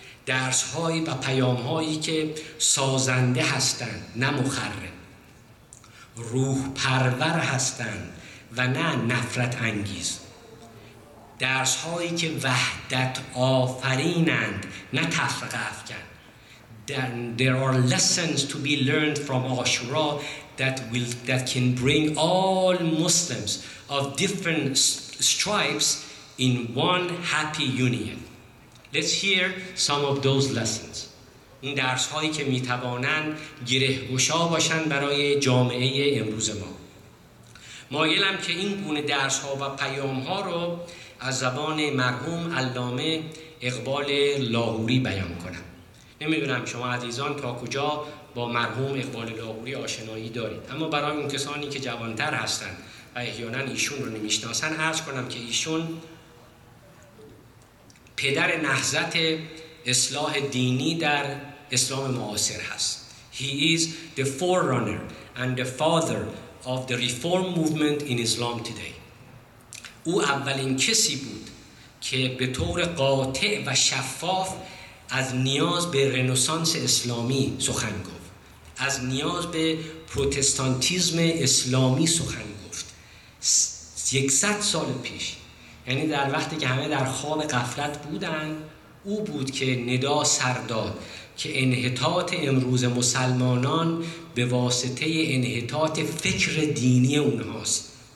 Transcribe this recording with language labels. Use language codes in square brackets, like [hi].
[fa] درس های و پیام هایی که سازنده هستند نه مخرب. روح پرور هستند و نه نفرت انگیز. درس هایی که وحدت آفرینند نه تفرق افکن. [en] There are lessons to be learned from Ashura that can bring all Muslims of different stripes in one happy union. Let's hear some of those lessons. [fa] این درس هایی که می توانند گره گشا باشند برای جامعه امروز ما. مایلم که این گونه درس ها و پیام ها رو از زبان مرحوم علامه اقبال لاهوری بیان کنم. نمی دونم شما عزیزان تا کجا با مرحوم اقبال لاهوری آشنایی دارید، اما برای اون کسانی که جوانتر هستند و احیانا ایشون رو نمی شناسن عرض کنم که ایشون پدر نهضت اصلاح دینی در اسلام معاصر هست. [en] He is the forerunner and the father of the reform movement in Islam today. [fa] او اولین کسی بود که به طور قاطع و شفاف از نیاز به رنسانس اسلامی سخن گفت، از نیاز به پروتستانتیزم اسلامی سخن گفت. 100 سال پیش، یعنی در وقتی که همه در خواب غفلت بودند، او بود که ندا سر داد که انحطاط امروز مسلمانان به واسطه انحطاط فکر دینی اونهاست.